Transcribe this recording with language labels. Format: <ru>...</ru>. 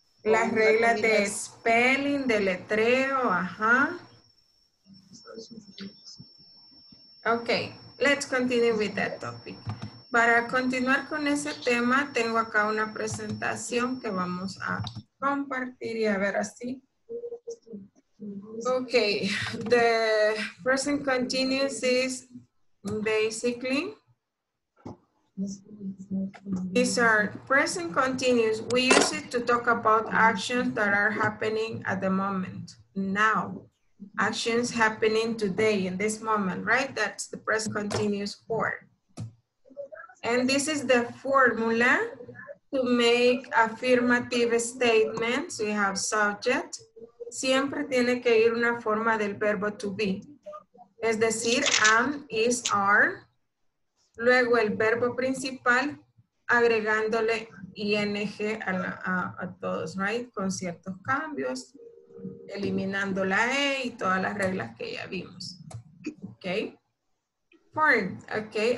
<es>Las reglas de spelling, de letreo, ajá.</es> <en>Ok, let's continue with that topic.</en> <es>Para continuar con ese tema, tengo acá una presentación que vamos a compartir y a ver así.</es> <en>Ok, the present continuous is basically, these are present continuous. We use it to talk about actions that are happening at the moment, now. Actions happening today, in this moment, right? That's the present continuous form. And this is the formula to make affirmative statements. We have subject.</en> <es>Siempre tiene que ir una forma del verbo to be. Es decir, am, is, are. Luego el verbo principal, agregándole ing a todos, right? Con ciertos cambios, eliminando la E y todas las reglas que ya vimos. Okay. Form. Okay.</es>